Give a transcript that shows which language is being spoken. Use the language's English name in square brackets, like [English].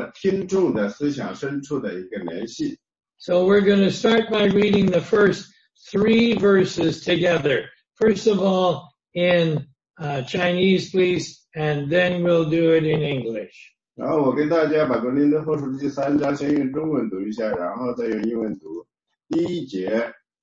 [Chinese] 所以格林多后书呢，给了我们从那个传道人的思想的深处和听众的思想深处的一个联系。 [English] So we're going to start by reading the first three verses together. First of all, in Chinese, please, and then we'll do it in English. [Chinese] 然后我跟大家把格林多后书第三章先用中文读一下，然后再用英文读。第一节。